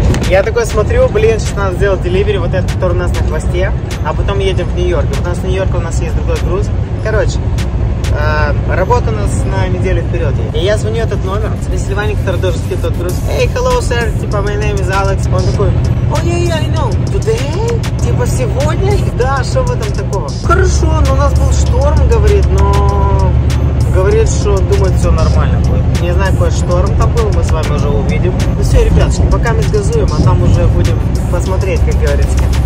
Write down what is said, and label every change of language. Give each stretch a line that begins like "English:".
Russian: Я такой смотрю, блин, сейчас надо сделать деливери, вот этот, который у нас на хвосте, а потом едем в Нью-Йорк. Вот у нас в Нью-Йорке у нас есть другой груз. Короче, работа у нас на неделю вперед. И я звоню этот номер, спросили Ваня, который должен скинуть тот груз. Эй,
English: hello, sir,
Russian: типа,
English: my name is Alex.
Russian: Он такой,
English: oh, yeah, yeah, I know. Today?
Russian: Типа, сегодня? Да, что в этом такого? Хорошо, но у нас был шторм, говорит, но... Говорит, что думает, все нормально будет. Не знаю, какой шторм там был, мы с вами уже увидим. Ну все, ребятушки, пока мы газуем, а там уже будем посмотреть, как говорится.